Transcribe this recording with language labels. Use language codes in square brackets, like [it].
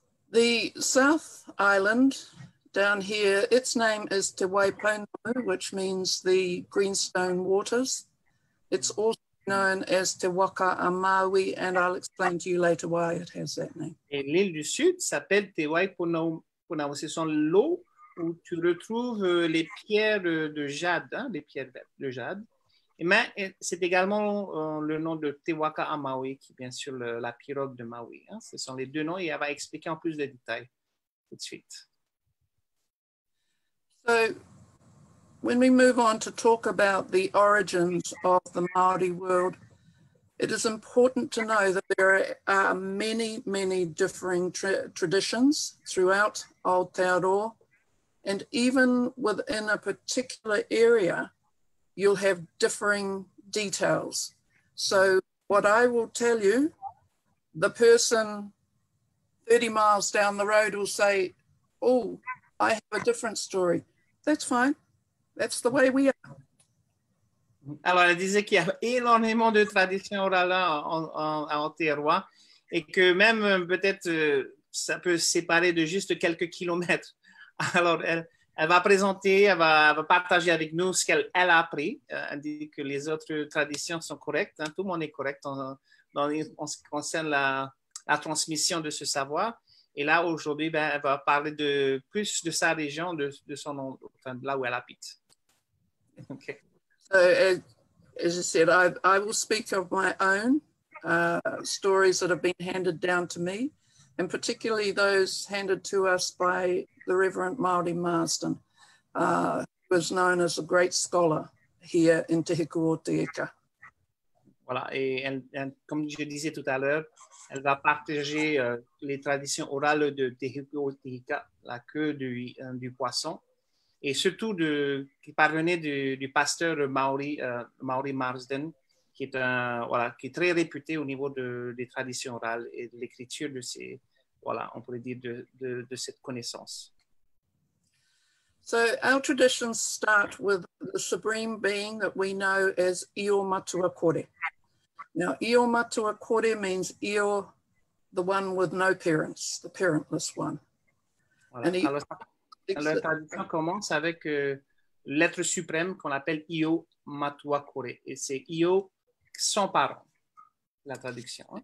[en] The South Island down here, its name is Te Waipounau, which means the greenstone waters. It's also known as Te Waka a Māui, and I'll explain to you later why it has that name. [fr] Et l'île du Sud s'appelle Te Waipounau. Ce sont l'eau où tu retrouves les pierres de jade, hein, les pierres de jade. Mais c'est également le nom de Te Waka a Māui, qui est bien sûr la pirogue de Māui. Hein. Ce sont les deux noms et elle va expliquer en plus de détails tout de suite. [en] So, when we move on to talk about the origins of the Māori world, it is important to know that there are many, many differing traditions throughout Aotearoa, and even within a particular area, you'll have differing details. So what I will tell you, the person 30 miles down the road will say, oh, I have a different story. That's fine. That's the way we are. [fr] Alors, elle disait qu'il y a énormément de traditions orales en Aotearoa et que même peut-être ça peut séparer de juste quelques kilomètres. Alors, elle va présenter, elle va partager avec nous ce qu'elle a appris. Elle dit que les autres traditions sont correctes. Hein. Tout le monde est correct en ce qui concerne la transmission de ce savoir. Et là, aujourd'hui, ben, elle va parler de plus de sa région, de son nom, enfin, de là où elle habite. OK. [en] So, as you said, I will speak of my own stories that have been handed down to me, and particularly those handed to us by the Reverend Māori Marsden, who was known as a great scholar here in Te Hiku o Te Ika. [fr] Voilà, et comme je disais tout à l'heure, elle va partager les traditions orales de Te Hiku o Te Ika, la queue du poisson, et surtout qui parvenait du pasteur Māori Marsden, qui est très réputé au niveau des traditions orales et de l'écriture de ces, voilà, on pourrait dire de cette connaissance. [en] So our traditions start with the supreme being that we know as Io Matua Kore. Now, Io Matua Kore means Io, the one with no parents, the parentless one. [fr] Voilà. And alors, la tradition commence avec l'être suprême qu'on appelle Io Matua Kore, et c'est Io sans parents. la traduction.